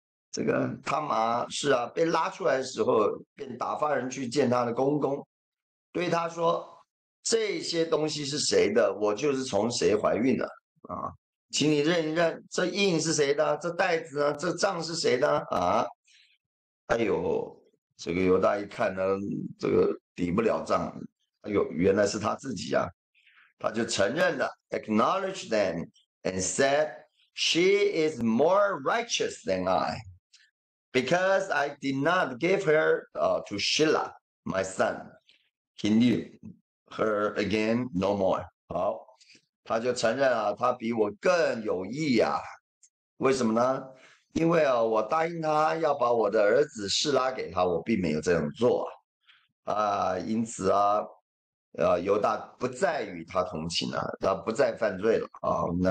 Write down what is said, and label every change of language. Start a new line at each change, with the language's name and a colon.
Chinese: 这个他妈是啊，被拉出来的时候，便打发人去见他的公公，对他说："这些东西是谁的？我就是从谁怀孕的啊，请你认一认，这印是谁的？这袋子啊，这账是谁的啊？" 哎呦，这个犹大一看呢，这个抵不了账。哎呦，原来是他自己呀、啊，他就承认了，
English: acknowledge them and said, "She is more righteous than I, because I did not give her to Shelah, my son. He knew her again no more."
Chinese: 好，他就承认啊，他比我更有义呀、为什么呢？因为啊，我答应他要把我的儿子示拉给他，我并没有这样做啊，因此啊，犹大不再与他同寝了，他不再犯罪了啊。